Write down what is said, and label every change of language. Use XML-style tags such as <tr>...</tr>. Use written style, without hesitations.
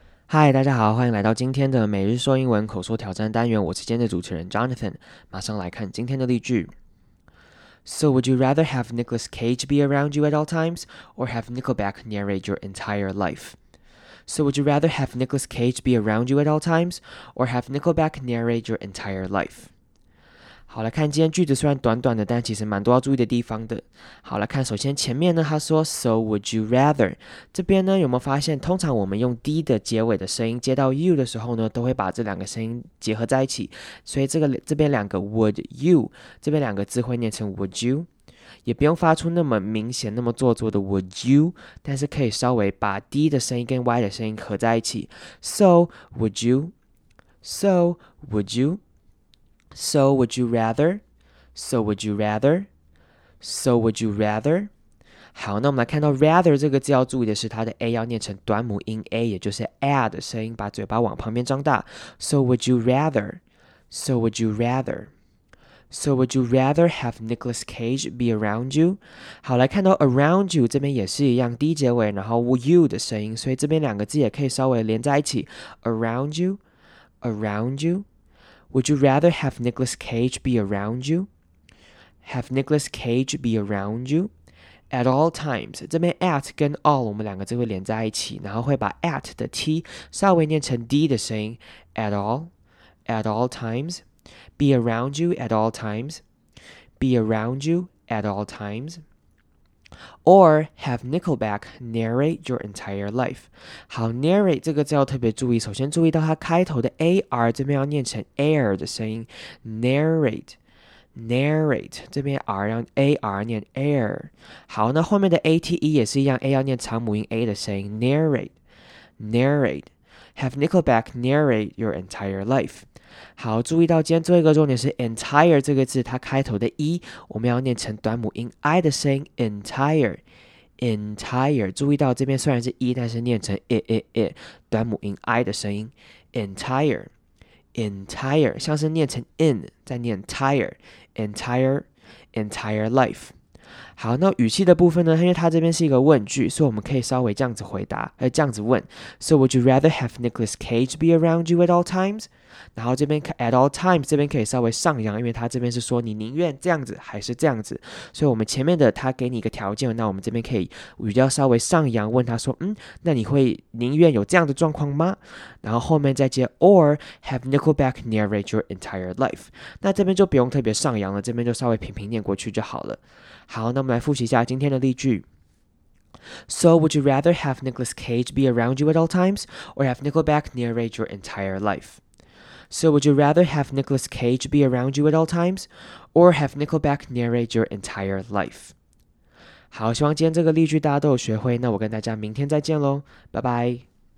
<zh>嗨，大家好，欢迎来到今天的每日说英文口说挑战单元。我是今天的主持人 Jonathan。马上来看今天的例句。</zh> <en>So would you rather have Nicolas Cage be around you at all times, or have Nickelback narrate your entire life? So would you rather have Nicolas Cage be around you at all times, or have Nickelback narrate your entire life?</en> <zh>好，来看今天句子，虽然短短的，但其实蛮多要注意的地方的。好，来看，首先前面呢，他说</zh> <en>So would you rather，</en> <zh>这边呢有没有发现，通常我们用 D 的结尾的声音接到 you 的时候呢，都会把这两个声音结合在一起，所以这边两个 would you， 这边两个字会念成 would you， 也不用发出那么明显那么做作的 would you， 但是可以稍微把 D 的声音跟 Y 的声音合在一起。</zh> <en>So would you， So would you，So would you rather? So would you rather? So would you rather?</en> <zh>好，那我们来看到 rather 这个字要注意的是，它的 a 要念成短母音 a， 也就是 a 的声音，把嘴巴往旁边张大。</zh> <en>So would you rather? So would you rather? So would you rather have Nicolas Cage be around you?</en> <zh>好，来看到 around you 这边也是一样 ，d 结尾，然后 you 的声音，所以这边两个字也可以稍微连在一起 ，</zh> <en>around you, around you. Would you rather have Nicolas Cage be around you? Have Nicolas Cage be around you? At all times.</en> <zh>这边 at 跟 all 我们两个字会连在一起，然后会把 at 的 t 稍微念成 d 的声音。</zh> <en>At all. At all times. Be around you at all times. Be around you at all times. Or have Nickelback narrate your entire life.</en> <zh>好， narrate 这个字要特别注意，首先注意到它开头的 AR 这边要念成 air 的声音， narrate narrate 这边 R 让 AR 念 air。好，那后面的 ATE 也是一样， A 要念长母音 A 的声音， narrate narrate。</zh> <en>Have Nickelback narrate your entire life。</en> <zh>好，注意到今天最后一个重点是 entire 这个字，它开头的 e 我们要念成短母音 i 的声音， entire entire。注意到这边虽然是 e， 但是念成 i i i， 短母音 i 的声音， entire entire， 像是念成 in 再念 tire， entire entire life。好，那语气的部分呢，因为它这边是一个问句，所以我们可以稍微这样子回答，这样子问。</zh> <en>So would you rather have Nicolas Cage be around you at all times?</en> <zh>然后这边</zh> <en>at all times</en> <zh>这边可以稍微上扬，因为它这边是说你宁愿这样子还是这样子，所以我们前面的它给你一个条件，那我们这边可以语调稍微上扬，问他说那你会宁愿有这样的状况吗？然后后面再接</zh> <en>or have Nickelback narrate your entire life，</en> <zh>那这边就不用特别上扬了，这边就稍微平平念过去就好了。好，那我们来复习一下今天的例句。</zh> <en>So would you rather have Nicolas Cage be around you at all times, or have Nickelback narrate your entire life? So would you rather have Nicolas Cage be around you at all times, or have Nickelback narrate your entire life?</en> <zh>好，希望今天这个例句大家都有学会，那我跟大家明天再见咯，拜拜。</zh>